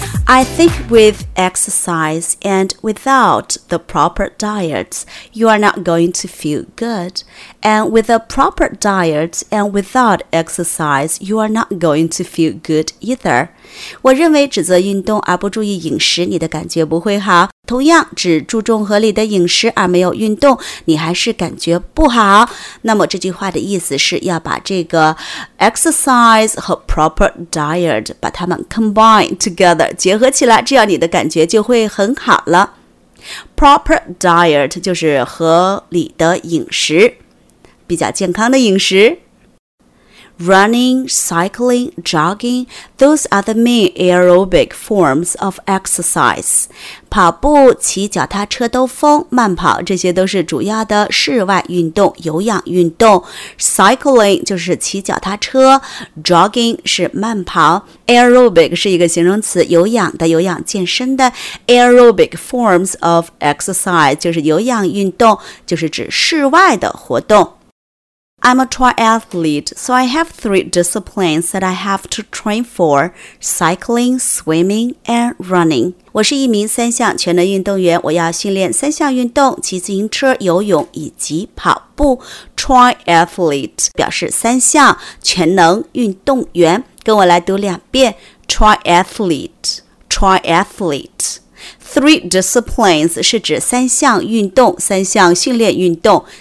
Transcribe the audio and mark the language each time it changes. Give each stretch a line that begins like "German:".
English: I think with exercise and without the proper diet, you are not going to feel good. And with a proper diet and without exercise, you are not going to feel good either.
Chinese: 我认为只做运动而不注意饮食，你的感觉不会好。同样，只注重合理的饮食而没有运动，你还是感觉不好。那么这句话的意思是要把这个 exercise 和 proper diet 把它们
English: combine together
Chinese: 结合起来，这样你的感觉就会很好了。 Proper diet 就是合理的饮食，比较健康的饮食。
English: Running, cycling, jogging, those are the main aerobic forms of exercise.
Chinese: 跑步、骑脚踏车、兜风、慢跑，这些都是主要的室外运动、有氧运动。 Cycling 就是骑脚踏车 ，jogging 是慢跑 ，aerobic 是一个形容词，有氧的、有氧健身的。
English: Aerobic forms of exercise
Chinese: 就是有氧运动，就是指室外的活动。
English: I'm a triathlete, so I have 3 disciplines that I have to train for, cycling, swimming, and running.
Chinese: 我是一名三项全能运动员，我要训练三项运动，骑自行车、游泳以及跑步。
English: Triathlete
Chinese: 表示三项全能运动员。跟我来读两遍。
English: Triathlete, triathlete. 3 disciplines
Chinese: 是指三项运动，三项训练运动。